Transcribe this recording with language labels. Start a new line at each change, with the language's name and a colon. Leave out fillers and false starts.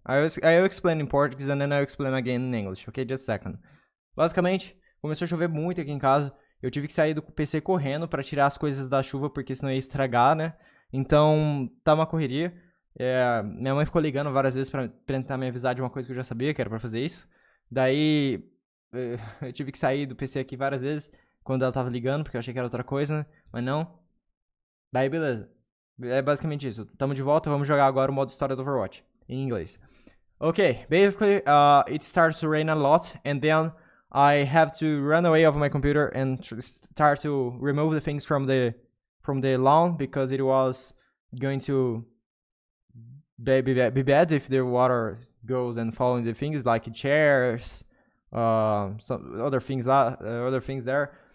English: I'll explain in Portuguese and then I'll explain again in English, ok? Just a second.
Portuguese: Basicamente, começou a chover muito aqui em casa. Eu tive que sair do PC correndo pra tirar as coisas da chuva, porque senão ia estragar, né? Então, tá uma correria. Minha mãe ficou ligando várias vezes pra tentar me avisar de uma coisa que eu já sabia, que era pra fazer isso. Daí, eu tive que sair do PC aqui várias vezes, quando ela tava ligando, porque eu achei que era outra coisa, né? Mas não. Daí, beleza. É basicamente isso. Tamo de volta, vamos jogar agora o modo história do Overwatch, em inglês.
English: Ok, basically, it starts to rain a lot, and then I have to run away of my computer and start to remove the things from the lawn because it was going to be bad if the water goes and falling the things like chairs, some other things there.